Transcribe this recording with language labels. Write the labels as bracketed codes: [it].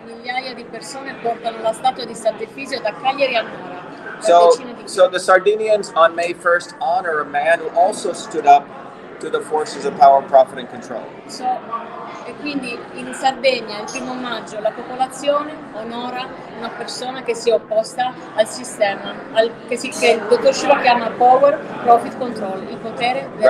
[it] Migliaia di persone portano la statua di Sant'Efisio da Cagliari a Nora. [en] So the Sardinians on May 1st honor a man who also stood up to the forces of power, profit, and control. [it] So, e quindi in Sardegna il primo maggio la popolazione onora una persona che si è opposta al sistema, che il dottor Shiva chiama [en] power, profit, control, [it] il potere del